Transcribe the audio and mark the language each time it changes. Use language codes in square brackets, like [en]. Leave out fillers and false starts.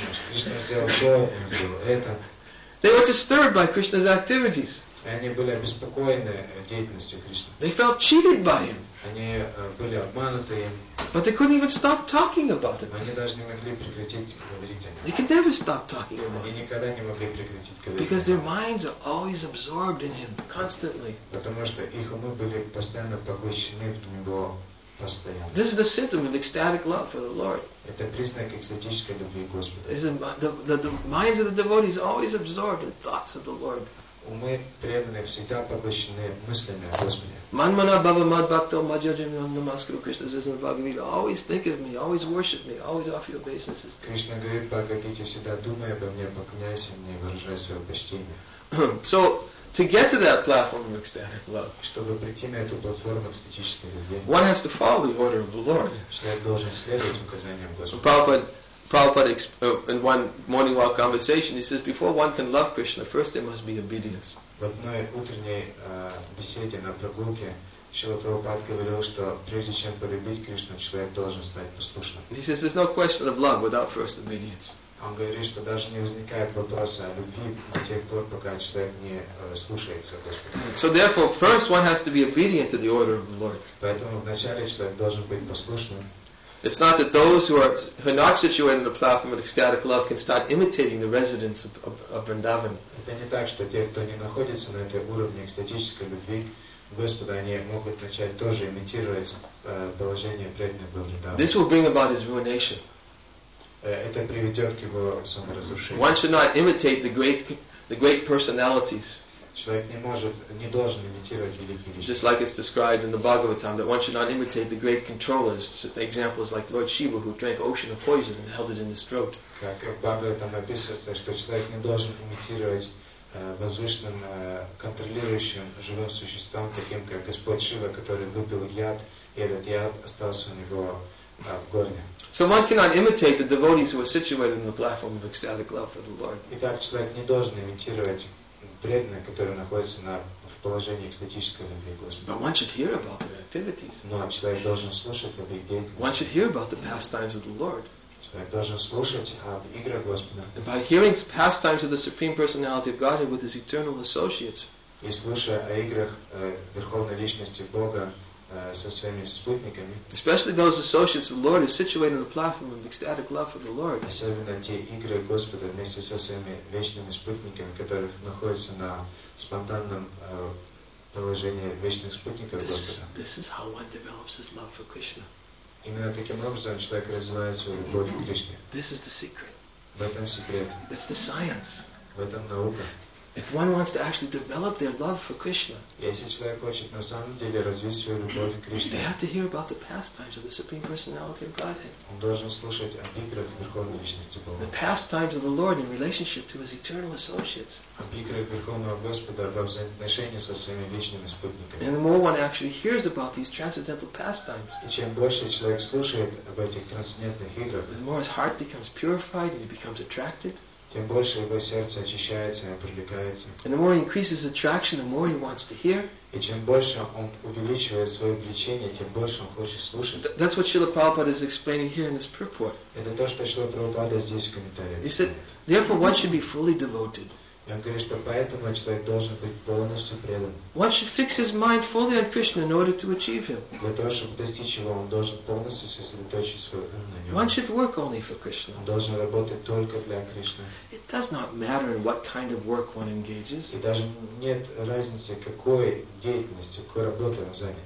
[ru] Krishna сделал то, он сделал это. [en] They were disturbed by Krishna's activities. [ru] Они были обеспокоены деятельностью Кришны. [en] They felt cheated by him. [ru] Они были обмануты им. [en] But they couldn't even stop talking about it. [ru] Они даже не могли прекратить говорить о нем. [en] They could never stop talking about it. [ru] Они никогда не могли прекратить говорить. [en] Because their minds are always absorbed in him constantly. [ru] Потому что их умы были постоянно поглощены в него. [en] This is the symptom of ecstatic love for the Lord. [ru] Это признак экстатической любви к Господу. [en] The minds of the devotees is always absorbed in thoughts of the Lord. [ru] Умы преданные всегда поглощены мыслями о Господе. [sa] Манмана баба мадбакто маджаджамин намаскару [en] Кришна says in the Bhagavad Gita, always think of me, always worship me, always offer your obeisances. [ru] Кришна говорит, Бхагавад Гите, всегда думай обо мне, поклоняйся мне, выражай свое почтение. [en] So, to get to that platform of ecstatic love, [ru] чтобы прийти на эту платформу экстатической любви, [en] one has to follow the order of the Lord. [ru] Человек должен следовать указаниям Господа. [en] Prabhupada, in one morning walk conversation, he says, before one can love Krishna, first there must be obedience. [ru] В одной утренней беседе на прогулке Шрила Прабхупада говорил, что прежде чем полюбить Кришну, человек должен стать послушным. [en] He says, there's no question of love without first obedience. [ru] Он говорит, что даже не возникает вопроса о любви до тех пор, пока человек не слушается Господа. [en] So therefore, first one has to be obedient to the order of the Lord. [ru] Поэтому вначале человек должен быть послушным. [en] It's not that those who are not situated in the platform of ecstatic love can start imitating the residents of Vrindavan. [ru] Это не так, что те, кто не находится на этом уровне экстатической любви Господа, они могут начать тоже имитировать положение преданных Вриндавана. [en] This will bring about his ruination. [ru] Это приведет к его саморазрушению. [en] One should not imitate the great personalities. [ru] Человек не может, не должен имитировать великие личности. [en] Just like it's described in the Bhagavatam, that one should not imitate the great controllers. Examples like Lord Shiva, who drank ocean of poison and held it in his throat. [ru] Как в Бхагаватам описывается, что человек не должен имитировать возвышенным контролирующим живым существом, таким как Господь Шива, который выпил яд, и этот яд остался у него в горле. [en] So one cannot imitate the devotees who are situated on the platform of ecstatic love for the Lord. [ru] Итак, человек не должен имитировать преданных, которые находятся на в положении экстатической любви к Господу. [en] But one should hear about their activities. [ru] Но человек должен слушать об их деятельности. [en] One should hear about the pastimes of the Lord. [ru] Человек должен слушать об играх Господа. [en] And by hearing the pastimes of the Supreme Personality of Godhead with His eternal associates. [ru] И слушая о играх Верховной Личности Бога со своими спутниками. [en] Especially those associates of the Lord who are situated on the platform of ecstatic love for the Lord. [ru] Особенно те игры Господа вместе со своими вечными спутниками, которые находятся на спонтанном положении вечных спутников Господа. [en] This is how one develops his love for Krishna. [ru] Именно таким образом человек развивает свою любовь к Кришне. [en] This is the secret. [ru] В этом секрет. [en] It's the science. [ru] В этом наука. [en] If one wants to actually develop their love for Krishna, [ru] если человек хочет на самом деле развить свою любовь к Кришне, [en] they have to hear about the pastimes of the Supreme Personality of Godhead. [ru] Он должен слушать о играх Верховной Личности Бога. [en] The pastimes of the Lord in relationship to His eternal associates. [ru] О играх Верховного Господа в взаимоотношении со своими вечными спутниками. [en] And the more one actually hears about these transcendental pastimes, [ru] и чем больше человек слушает об этих трансцендентных играх, [en] the more his heart becomes purified and he becomes attracted. [ru] Тем больше его сердце очищается и привлекается. [en] And the more he increases attraction, the more he wants to hear. [ru] И чем больше он увеличивает свое влечение, тем больше он хочет слушать. [en] That's what Srila Prabhupada is explaining here in this purport. [ru] Это то, что Srila Prabhupada здесь в комментариях. [en] He said, therefore one should be fully devoted. [ru] И он говорит, что поэтому человек должен быть полностью предан. [en] One should fix his mind fully on Krishna in order to achieve him. [ru] Для того, чтобы достичь его, он должен полностью сосредоточить свой ум на нем. [en] One should work only for Krishna. [ru] Он должен работать только для Кришны. [en] It does not matter in what kind of work one engages. [ru] И даже нет разницы, какой деятельностью, какой работой он занят.